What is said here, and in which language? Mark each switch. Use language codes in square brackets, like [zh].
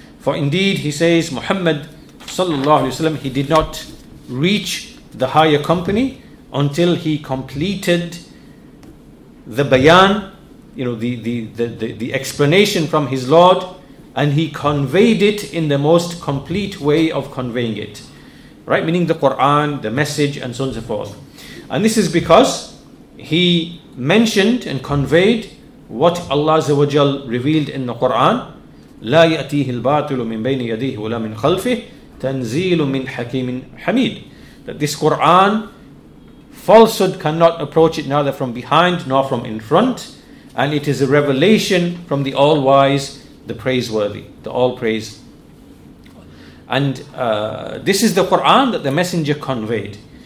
[en] For indeed, he says, Muhammad sallallahu alaihi wasallam, he did not reach the higher company until he completed the bayan, you know, the explanation from his Lord, and he conveyed it in the most complete way of conveying it, right? Meaning the Quran, the message, and so on and so forth. And this is because he mentioned and conveyed what Allah Azawajal revealed in the Quran, [ar] لا يأتيه الباطل من بين يديه ولا من خلفه تنزيل من حكيم حميد. [en] That this Quran, falsehood cannot approach it neither from behind nor from in front, and it is a revelation from the All Wise, the Praiseworthy, the All Praise. And this is the Quran that the Messenger conveyed.